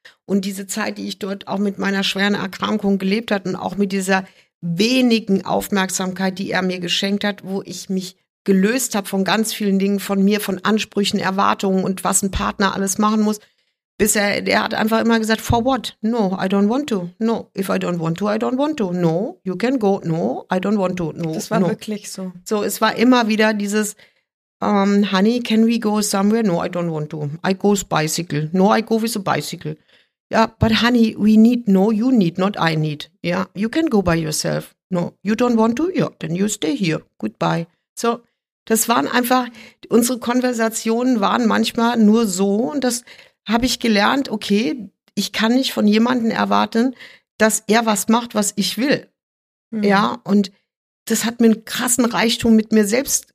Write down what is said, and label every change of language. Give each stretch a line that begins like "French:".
German: Und diese Zeit, die ich dort auch mit meiner schweren Erkrankung gelebt habe und auch mit dieser wenigen Aufmerksamkeit, die er mir geschenkt hat, wo ich mich gelöst habe von ganz vielen Dingen, von mir, von Ansprüchen, Erwartungen und was ein Partner alles machen muss. Der hat einfach immer gesagt,
English: for what? No, I don't want to. No, if I don't want to, I don't want to. No, you can go. No, I don't want to. No,
German: das war
English: no.
German: Wirklich so. So, es war immer wieder dieses,
English: honey, can we go somewhere? No, I don't want to. I go with bicycle. No, I go with a bicycle. Ja, yeah, but honey, we need, no, you need, not I need. Yeah, you can go by yourself. No, you don't want to? Yeah, then you stay here. Goodbye.
German: So, das waren einfach, unsere Konversationen waren manchmal nur so. Und das habe ich gelernt, okay, ich kann nicht von jemandem erwarten, dass er was macht, was ich will. Mhm. Ja, und das hat mir einen krassen Reichtum mit mir selbst.